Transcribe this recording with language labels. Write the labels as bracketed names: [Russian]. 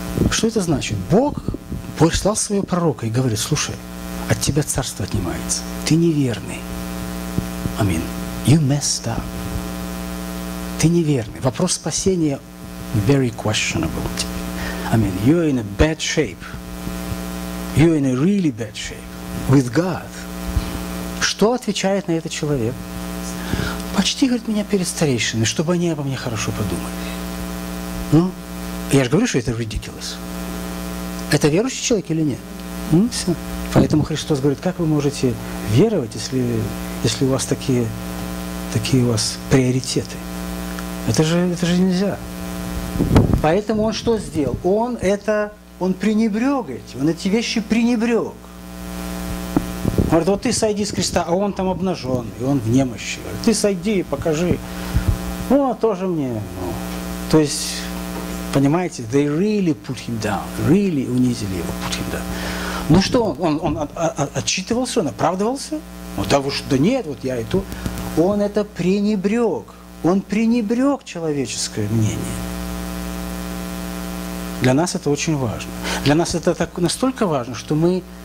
[Russian] Что это значит? Бог послал своего пророка и говорит, слушай, От тебя царство отнимается. Ты неверный. Амин. [English] You messed up. [Russian] Ты неверный. Вопрос спасения [English] very questionable. Амин. You are in a bad shape. You are in a really bad shape with God. [Russian] Что отвечает на это человек? Почти, говорит, меня перед старейшинами, чтобы они обо мне хорошо подумали. Ну, я же говорю, что это ridiculous. Это верующий человек или нет? Ну, все. Поэтому Христос говорит, как вы можете веровать, если у вас такие у вас приоритеты? Это же нельзя. Поэтому он что сделал? Он пренебрег эти, он эти вещи пренебрег. Он говорит, вот ты сойди с креста, а он там обнажен, и он в немощи. Говорит, ты сойди, покажи. Ну, тоже мне. Ну. То есть, понимаете, [English] they really put him down. Really [Russian] унизили его, [English] put him down. [Russian] Ну что, он отчитывался, он оправдывался? Ну, да, уж, да нет, вот я и то. Он это пренебрег. Он пренебрег человеческое мнение. Для нас это очень важно. Для нас это так, настолько важно, что мы...